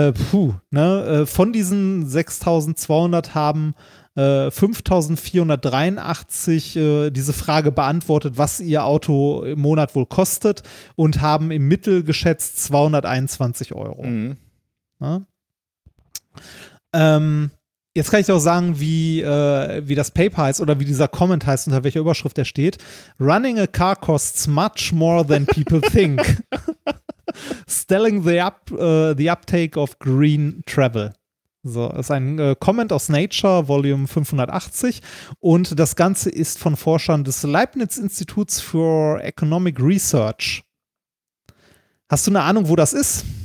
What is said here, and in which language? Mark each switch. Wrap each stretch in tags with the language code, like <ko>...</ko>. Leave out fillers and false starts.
<de>Von diesen 6.200 haben 5.483 diese Frage beantwortet, was ihr Auto im Monat wohl kostet, und haben im Mittel geschätzt 221 Euro. Mhm. Ja? Jetzt kann ich auch sagen, wie das Paper heißt oder wie dieser Comment heißt, unter welcher Überschrift der steht.</de> <en>Running a car costs much more than people think. Stelling the uptake of green travel.</en> <de>So, das ist ein Comment aus Nature, Volume 580. Und das Ganze ist von Forschern des Leibniz-Instituts für Economic Research. Hast du eine Ahnung, wo das ist?</de>